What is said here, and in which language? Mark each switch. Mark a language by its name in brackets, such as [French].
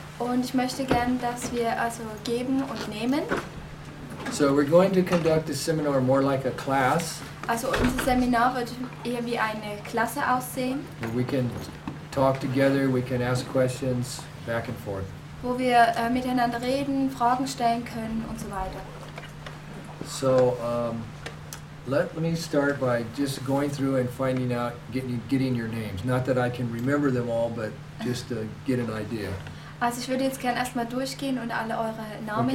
[German] Und ich möchte gern, dass wir also geben und nehmen. [English] So we're going to conduct a seminar more like a class. [German] Also unser Seminar wird eher wie eine Klasse aussehen. [English] Where we can talk together, we can ask questions back and forth. [German] Wo wir miteinander reden, Fragen stellen können und so weiter. [English] So let me start by just going through and finding out, getting your names. Not that I can remember them all, but just to get an idea. [German] Also ich würde jetzt gerne erstmal durchgehen und alle eure Namen